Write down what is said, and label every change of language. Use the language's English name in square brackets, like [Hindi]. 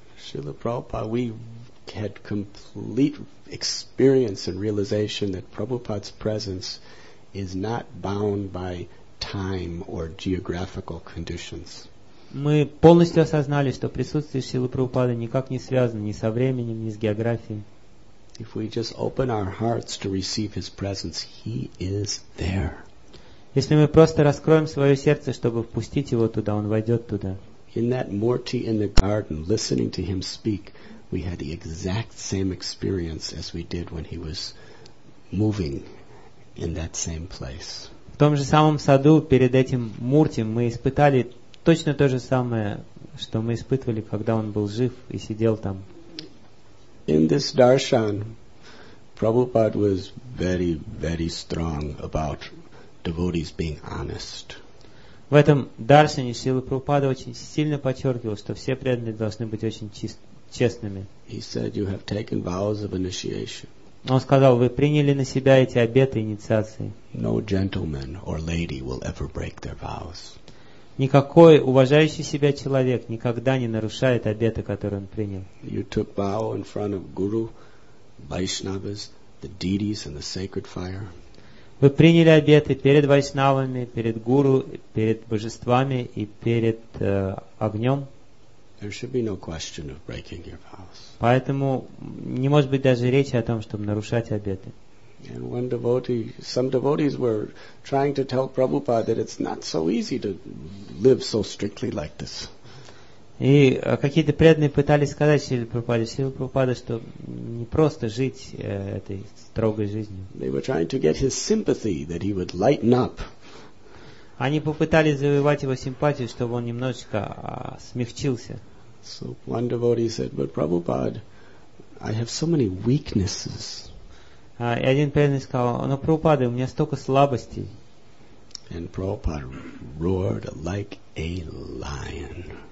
[English] Шрила Прабхупада, we had complete experience and realization that Prabhupada's presence is not bound by time or geographical conditions. [Russian] Мы полностью осознали, что присутствие Шрилы Прабхупады никак не связано ни со временем, ни с географией. [English] If we just open our hearts to receive His presence, He is there. [Russian] Если мы просто раскроем свое сердце, чтобы впустить его туда, он войдет туда. [English] In that murti in the garden, listening to him speak, we had the exact same experience as we did when he was moving in that same place. [Russian] В том же самом саду перед этим муртим мы испытали точно то же самое, что мы испытывали, когда он был жив и сидел там. [English] In this darshan, Prabhupada was very, very strong about devotees being honest. [Russian] В этом даршане Шрилы Прабхупада очень сильно подчеркивал, что все преданные должны быть очень честными. [English] He said, "You have taken vows of initiation." [Russian] Он сказал, вы приняли на себя эти обеты инициации. [English] No gentleman or lady will ever break their vows. [Russian] Никакой уважающий себя человек никогда не нарушает обеты, которые он принял. [English] You took vow in front of guru, Vaishnavas, the deities, and the sacred fire. [Russian] Вы приняли обеты перед вайшнавами, перед гуру, перед божествами и перед огнем. [English] There should be no question of breaking your vows. [Russian] Поэтому не может быть даже речи о том, чтобы нарушать обеты. [English] And one devotee, some devotees were trying to tell Prabhupada that it's not so easy to live so strictly like this. [Russian] И какие-то преданные пытались сказать Шриле Прабхупаде, Шриле Прабхупаде, что не просто жить этой строгой жизнью. [English] They were trying to get his sympathy, that he would lighten up. [Russian] Они попытались завоевать его симпатию, чтобы он немножечко смягчился. [English] So one devotee said, but Prabhupada, I have so many weaknesses. [Russian] И один преданный сказал, но Прабхупада, у меня столько слабостей. [English] And Prabhupada roared like a lion.